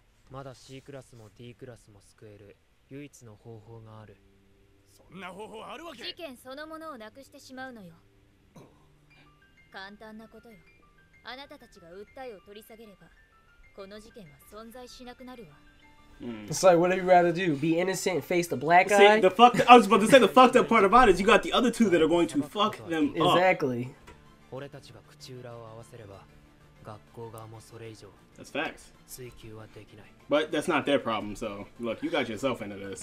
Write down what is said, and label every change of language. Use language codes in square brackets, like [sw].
[ja] まだ C クラスも D クラスも救える唯一の方法がある。そんな方法あるわけ。事件そのものをなくしてしまうのよ。簡単なことよ。あなたたちが訴えを取り下げれば、この事件は存在しなくなるわ。 [en] It's like, what do you rather do? Be innocent and face the black guy? See, the fuck, I was about to say the fucked up part about it. You got the other two that are going to fuck them up. Exactly. [ja] 俺たちが口裏を合わせれば。 [en] That's facts. But that's not their problem, so look, you got yourself into this.